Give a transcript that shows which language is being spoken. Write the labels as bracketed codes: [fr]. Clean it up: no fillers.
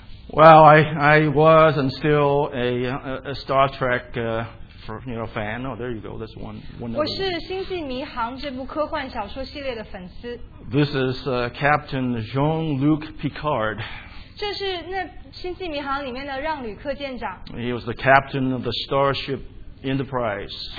[en] Well, I was and still a Star Trek fan. Oh, there you go. That's one. [zh] 我是星际迷航这部科幻小说系列的粉丝。 [en] This is Captain Jean-Luc Picard. [zh] 这是那星际迷航里面的让吕克舰长。 [en] He was the captain of the Starship Enterprise.